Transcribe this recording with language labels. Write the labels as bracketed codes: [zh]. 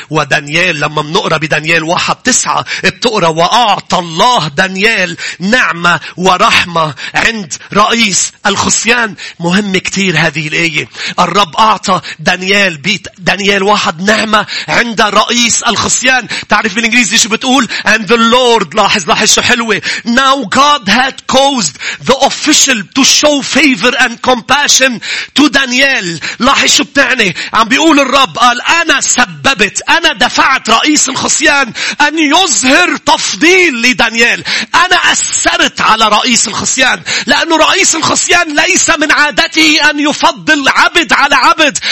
[ar] ودانيال لما بنقرأ بدانيال 1:9 بتقرأ وأعطى الله دانيال نعمة ورحمة عند رئيس الخصيان. مهم كتير هذه الآية. الرب أعطى دانيال دانيال 1 نعمة عند رئيس الخصيان. تعرف بالإنجليزي شو بتقول؟ [en] And the Lord [ar] لاحظ شو حلوة. [en] Now God had caused the official to show favor and compassion to Daniel. [ar] لاحظ شو بتعني؟ عم بيقول الرب قال أنا سببت أنا دفعت رئيس الخصيان أن يظهر تفضيل لدانيال. أنا أثرت على رئيس الخصيان لأنه رئيس الخصيان ليس من عادته أن يفضل عبد على عبد.